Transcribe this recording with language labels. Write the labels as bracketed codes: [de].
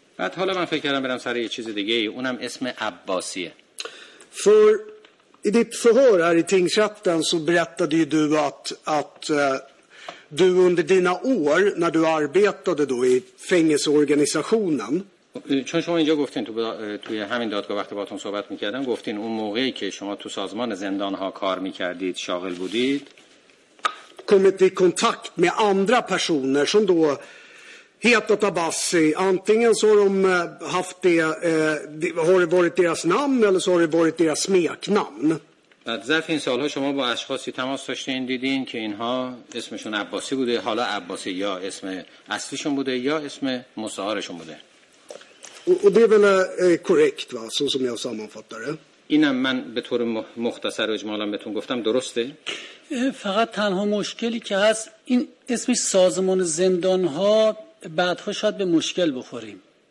[fa] بعد حالا من فکر کردم برم سر یه چیز دیگه، اونم اسم عباسیه. [sv] För i ditt förhör här i tingsrätten så berättade ju du att du under dina år när du arbetade då i fängelseorganisationen. [fa] چون شما اینجا گفتین تو توی همین دادگاه وقتی باهاتون صحبت می‌کردم گفتین اون موقعی که شما تو سازمان زندان‌ها کار می‌کردید شاغل بودید. [sv] Kommit i kontakt med andra personer som då hetat Abbasi, antingen så har de haft det, har det varit deras namn eller så har det varit deras smeknamn. [fa] بعد ظرف این سال‌ها شما با اشخاصی تماس داشتین دیدین که اینها اسمشون عباسی بوده، حالا عباسی یا اسم اصلیشون بوده یا اسم مستعارشون بوده. [sv] و det är väl korrekt va, så som jag sammanfattar det. [fa] اینم من به طور مختصر و اجمالا بهتون گفتم، درسته؟ فقط تنها مشکلی که هست این اسمش سازمان زندان‌ها بعدها شاید به مشکل بخوریم.